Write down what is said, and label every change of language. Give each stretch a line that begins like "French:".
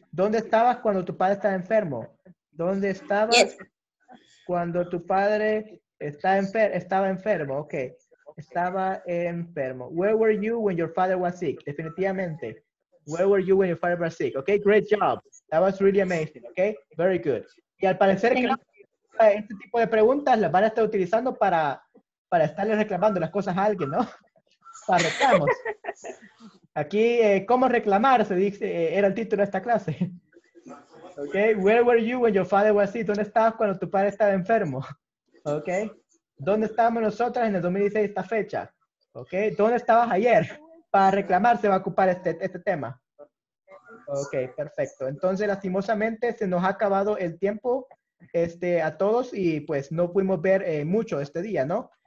Spanish: ¿Dónde estabas cuando tu padre estaba enfermo? ¿Dónde estabas cuando tu padre estaba enfermo? Ok. Estaba enfermo.
English: Where were you when your father was sick? Definitivamente. Where were you when your father was sick? Ok, great job. That was really amazing. Ok, very good.
Spanish: Y al parecer que este tipo de preguntas las van a estar utilizando para estarle reclamando las cosas a alguien, ¿no? Para reclamos. Aquí, ¿cómo reclamar? Se dice, era el título de esta clase.
English: Okay, where were you when your father was sick?
Spanish: ¿Dónde estabas cuando tu padre estaba enfermo? Okay, ¿dónde estábamos nosotras en el 2016 esta fecha? Okay, ¿dónde estabas ayer? Para reclamar se va a ocupar este tema. Okay, perfecto. Entonces, lastimosamente, se nos ha acabado el tiempo a todos y pues no pudimos ver mucho este día, ¿no?